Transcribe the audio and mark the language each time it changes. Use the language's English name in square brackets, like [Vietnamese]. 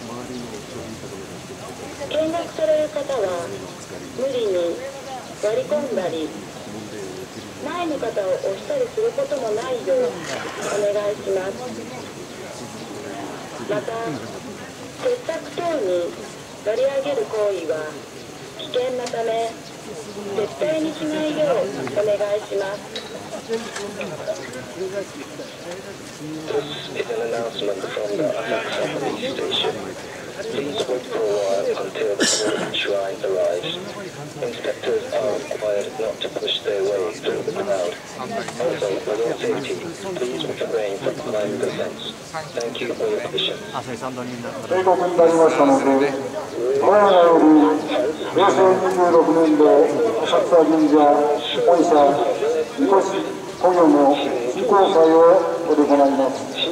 [Japanese] 見学される方は無理に割り込んだり前の方を押したりすることもないようお願いします。また鉄柵等に割り上げる行為は危険なため絶対にしないようお願いします。 [English] This is an announcement from the Asakusa Police Station. Please wait for a while until the Golden Shrine arrives. Inspectors are required not to push their way through the crowd. Also, for your safety, please refrain from climbing the fence. Thank you for your patience. [Japanese] このように平成26年度浅草神社本社神輿供養の神幸祭を取り行います。